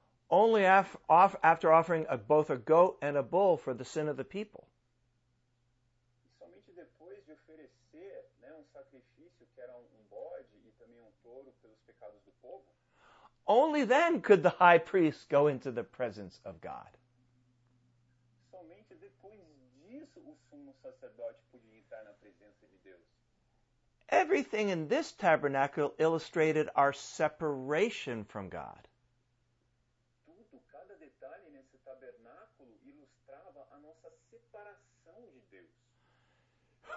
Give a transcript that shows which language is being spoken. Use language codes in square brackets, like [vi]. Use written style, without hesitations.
[en] Only after offering both a goat and a bull for the sin of the people. [pt] Somente depois de oferecer, né, sacrifício que era bode e também touro pelos pecados do povo. [en] Only then could the high priest go into the presence of God. [pt] Somente depois disso o sumo sacerdote podia entrar na presença de Deus. [en] Everything in this tabernacle illustrated our separation from God. [pt] Tudo, cada detalhe nesse tabernáculo ilustrava a nossa separação de Deus.